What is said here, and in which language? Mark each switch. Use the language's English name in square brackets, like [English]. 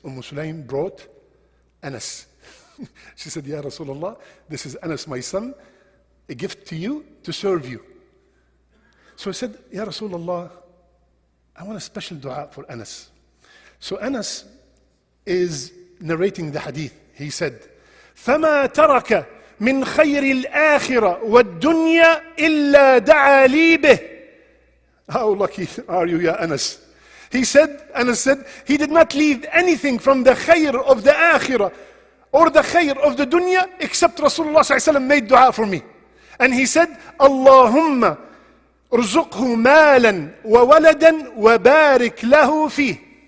[English] Umm Sulaym brought Anas. She said, Ya Rasulullah, this is Anas, my son, a gift to you to serve you. So he said, Ya Rasulullah, I want a special dua for Anas. So Anas is narrating the hadith. [Arabic] He said, فَمَا تَرَكَ مِنْ خَيْرِ الْآخِرَةِ وَالدُّنْيَا إِلَّا دَعَى لِي بِهِ. [English] How lucky are you, ya Anas? Anas said, he did not leave anything from the khayr of the akhirah or the khayr of the dunya except Rasulullah ﷺ made dua for me. And he said, [Arabic] Allahumma rzuqhu malan wa waladan wa barik lahu fih.